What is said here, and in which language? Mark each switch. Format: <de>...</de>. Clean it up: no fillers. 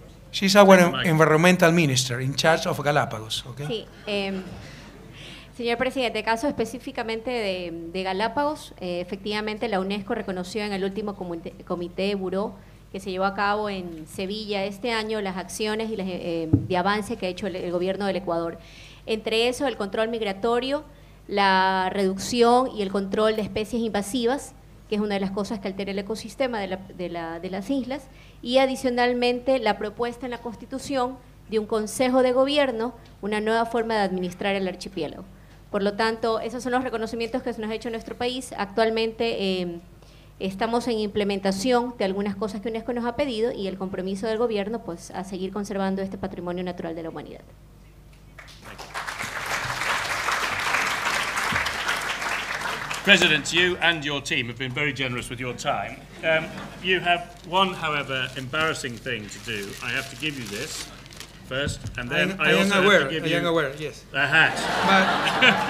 <en>She's our environmental minister in charge of Galápagos. Okay?</en> <es>Sí. Señor presidente, caso específicamente de Galápagos, efectivamente la UNESCO reconoció en el último comité de buró que se llevó a cabo en Sevilla este año las acciones y las de avance que ha hecho el gobierno del Ecuador. Entre eso, el control migratorio, la reducción y el control de especies invasivas, que es una de las cosas que altera el ecosistema de las islas, y adicionalmente la propuesta en la Constitución de un Consejo de Gobierno, una nueva forma de administrar el archipiélago. Por lo tanto, esos son los reconocimientos que se nos ha hecho en nuestro país. Actualmente estamos en implementación de algunas cosas que UNESCO nos ha pedido y el compromiso del Gobierno pues, a seguir conservando este patrimonio natural de la humanidad.</es> <en>President, you and your team have been very generous with your time. You have one, however, embarrassing thing to do. I have to give you this first, and then I have to give you a hat.</en>